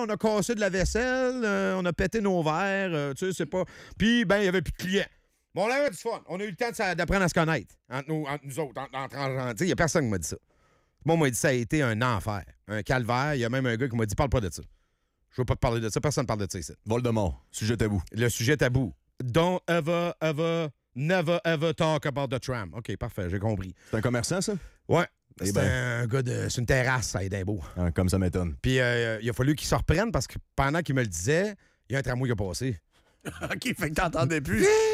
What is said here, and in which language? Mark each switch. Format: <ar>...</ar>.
<fr>On a cassé de la vaisselle. On a pété nos verres. Tu sais, c'est pas... Puis, ben, il n'y avait plus de clients. Bon, on avait du fun. On a eu le temps d'apprendre à se connaître entre nous autres. Il n'y a personne qui m'a dit ça. Moi, m'a dit ça a été un enfer, un calvaire. Il y a même un gars qui m'a dit « parle pas de ça. Je veux pas te parler de ça. Personne ne parle de ça ici. » Voldemort, sujet tabou. Le sujet tabou.</fr> <en>Don't ever, ever, never ever talk about the tram.</en> <fr>OK, parfait, j'ai compris. C'est un commerçant, ça? Ouais. C'est ben... un gars de... C'est une terrasse à Édimbourg. Ah, comme ça m'étonne. Puis il a fallu qu'il se reprenne parce que pendant qu'il me le disait, il y a un tramway qui a passé. OK, fait que t'entendais plus.</fr>